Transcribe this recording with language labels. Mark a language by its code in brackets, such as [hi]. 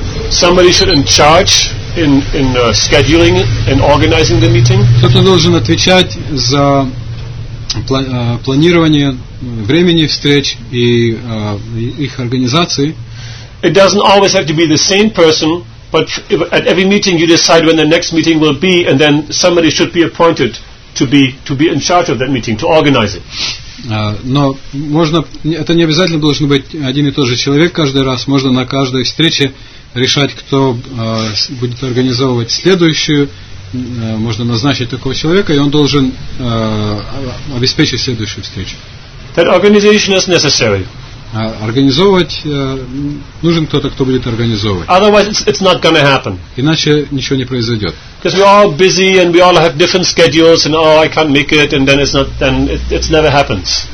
[en] Somebody should in charge in scheduling and organizing the meeting. [ru] Кто-то должен отвечать за планирование времени встреч и их организации. [en] It doesn't always have to be the same person, but at every meeting you decide when the next meeting will be, and then somebody should be appointed to be in charge of that meeting, to organize it. [ru] Но можно, это не обязательно должен быть один и тот же человек каждый раз. Можно на каждой встрече решать, кто будет организовывать следующую. Можно назначить такого человека, и он должен обеспечить следующую встречу. [en] That organization is necessary. [ru] Организовывать нужен кто-то, кто будет организовывать. [en] Otherwise, it's not going to happen. [ru] Иначе ничего не произойдет. [en] Because we all busy and we all have different schedules and oh, I can't make it, and then it's not, then it never happens.